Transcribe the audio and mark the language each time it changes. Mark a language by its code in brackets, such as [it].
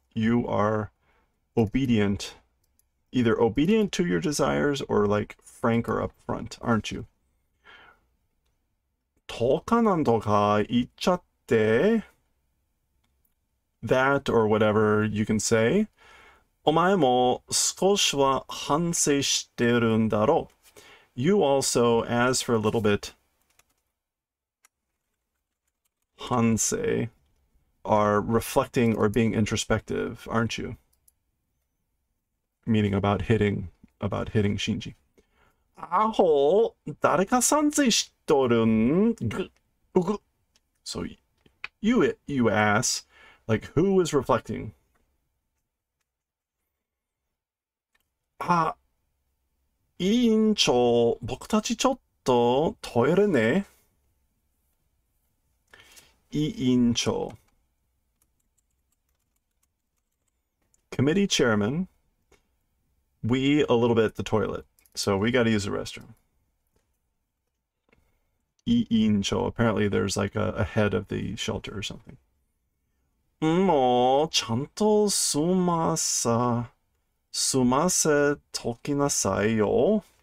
[en] You are obedient, either obedient to your desires or like frank or upfront, aren't you? [ja] とかなんとか言っちゃって。 [en] That or whatever you can say. [ja] お前も少しは反省してるんだろう。 [en] You also, as for a little bit, 反省 are reflecting or being introspective, aren't you? Meaning about hitting Shinji. [ja] アホ、誰か賛成しとるん？ [en] ぐ、うぐ。So, you ask, like, who is reflecting? [ja] あ、委員長、僕たちちょっと、トイレね。委員長。 [en] Committee chairman, we a little bit the toilet. So we gotta use the restroom. Incho. Apparently, there's like a head of the shelter or something. [ja] もうちゃんとすませときなさいよ。